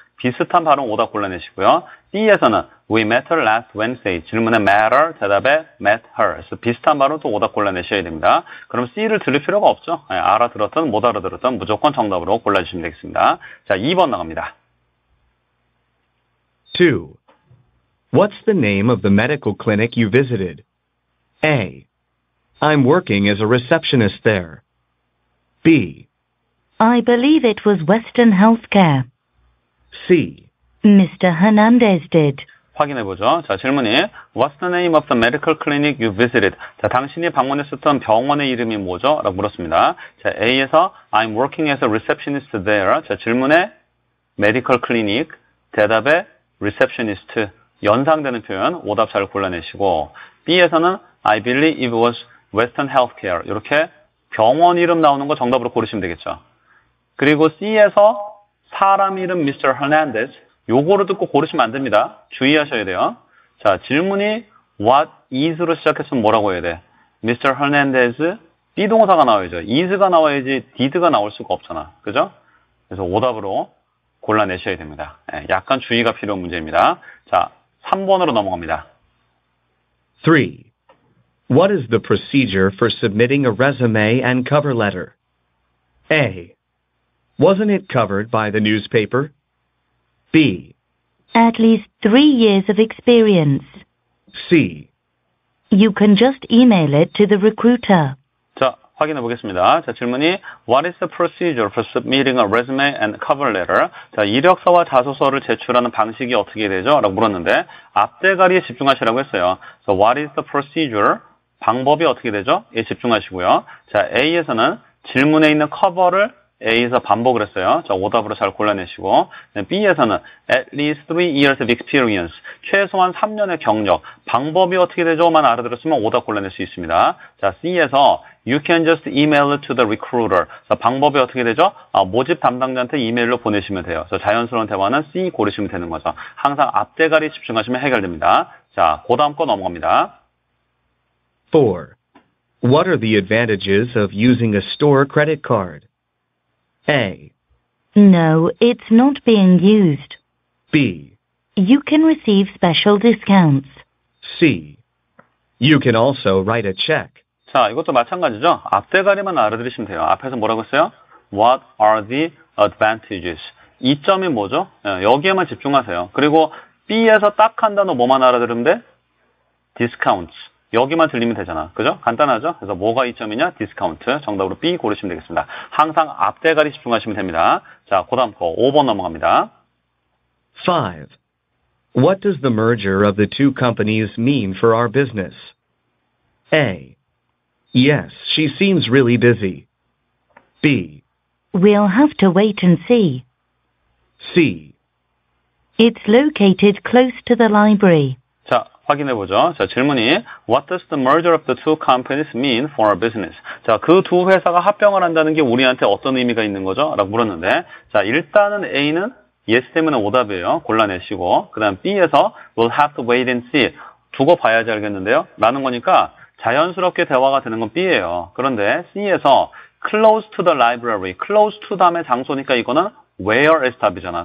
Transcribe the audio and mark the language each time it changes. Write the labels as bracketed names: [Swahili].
[Korean] 비슷한 발음 오답 골라내시고요. D에서는 [English] We met her last Wednesday. [Korean] 질문에 [English] matter, [Korean] 대답에 [English] met her. [Korean] 그래서 비슷한 말은 또 오답 골라내셔야 됩니다. 그럼 C를 들을 필요가 없죠. 네, 알아들었든 못 알아들었든 무조건 정답으로 골라주시면 되겠습니다. 자, 2번 나갑니다. [English] 2. What's the name of the medical clinic you visited? A. I'm working as a receptionist there. B. I believe it was Western Healthcare. C. Mr. Hernandez did. [Korean] 확인해보죠. 자, 질문이 [English] What's the name of the medical clinic you visited? [Korean] 자, 당신이 방문했었던 병원의 이름이 뭐죠? 라고 물었습니다. 자, A에서 [English] I'm working as a receptionist there. [Korean] 자, 질문에 medical clinic, 대답에 receptionist, 연상되는 표현, 오답 잘 골라내시고 B에서는 [English] I believe it was Western Healthcare. [Korean] 이렇게 병원 이름 나오는 거 정답으로 고르시면 되겠죠. 그리고 C에서 사람 이름 Mr. Hernandez. 요거를 듣고 고르시면 안 됩니다. 주의하셔야 돼요. 자, 질문이 what is로 시작했으면 뭐라고 해야 돼? Mr. Hernandez, B동사가 나와야죠. is가 나와야지 did가 나올 수가 없잖아. 그죠? 그래서 오답으로 골라내셔야 됩니다. 예, 약간 주의가 필요한 문제입니다. 자, 3번으로 넘어갑니다. [English] 3. What is the procedure for submitting a resume and cover letter? A. Wasn't it covered by the newspaper? B. At least 3 years of experience. C. You can just email it to the recruiter. [Korean] 자, 확인해 보겠습니다. 자, 질문이 [English] What is the procedure for submitting a resume and cover letter? [Korean] 자, 이력서와 자소서를 제출하는 방식이 어떻게 되죠? 라고 물었는데 앞대가리에 집중하시라고 했어요. [English] So what is the procedure? [Korean] 방법이 어떻게 되죠? 에 집중하시고요. 자, A에서는 질문에 있는 커버를 A에서 반복을 했어요. 자, 오답으로 잘 골라내시고 B에서는 [English] at least 3 years of experience, [Korean] 최소한 3년의 경력, 방법이 어떻게 되죠?만 알아들었으면 오답 골라낼 수 있습니다. 자, C에서 [English] you can just email it to the recruiter. [Korean] 자, 방법이 어떻게 되죠? 아, 모집 담당자한테 이메일로 보내시면 돼요. 그래서 자연스러운 대화는 C 고르시면 되는 거죠. 항상 앞대가리 집중하시면 해결됩니다. 자, 그 다음 거 넘어갑니다. [English] 4. What are the advantages of using a store credit card? A. No, it's not being used. B. You can receive special discounts. C. You can also write a check. [Korean] 자, 이것도 마찬가지죠. 앞대가리만 알아들으시면 돼요. 앞에서 뭐라고 했어요? [English] What are the advantages? [Korean] 이점이 뭐죠? 여기에만 집중하세요. 그리고 B에서 딱 한 단어 뭐만 알아들으면 돼? Discounts. 여기만 들리면 되잖아. 그죠? 간단하죠? 그래서 뭐가 이점이냐? 디스카운트. 정답으로 B 고르시면 되겠습니다. 항상 앞대가리 집중하시면 됩니다. 자, 그 다음 거 5번 넘어갑니다. [English] 5. What does the merger of the two companies mean for our business? A. Yes, she seems really busy. B. We'll have to wait and see. C. It's located close to the library. [Korean] 자, 확인해보죠. 자, 질문이 [English] What does the merger of the two companies mean for our business? [Korean] 자, 그 두 회사가 합병을 한다는 게 우리한테 어떤 의미가 있는 거죠? 라고 물었는데 자, 일단은 A는 Yes 때문에 오답이에요. 골라내시고 그 다음 B에서 [English] We'll have to wait and see. [Korean] 두고 봐야지 알겠는데요? 라는 거니까 자연스럽게 대화가 되는 건 B예요. 그런데 C에서 [English] Close to the library. [Korean] Close to 다음에 장소니까 이거는 Where is 답이잖아.